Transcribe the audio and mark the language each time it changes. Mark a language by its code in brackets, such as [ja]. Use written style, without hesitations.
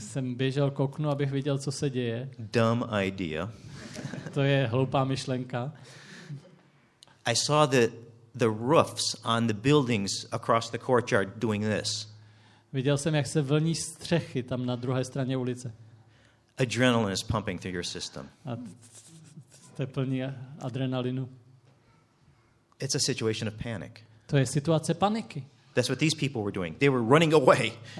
[cs] Jsem běžel k oknu, abych viděl, co se děje. [en] Dumb idea. [cs] To je hloupá myšlenka. [en] I saw the roofs on the buildings across the courtyard doing this. [cs] Viděl jsem, jak se vlní střechy tam na druhé straně ulice. [en] Adrenaline is pumping through your system. [cs] A jste plní adrenalinu. [en] It's a situation of panic. [cs] To je situace paniky. [en] That's what these people were doing. They were running away.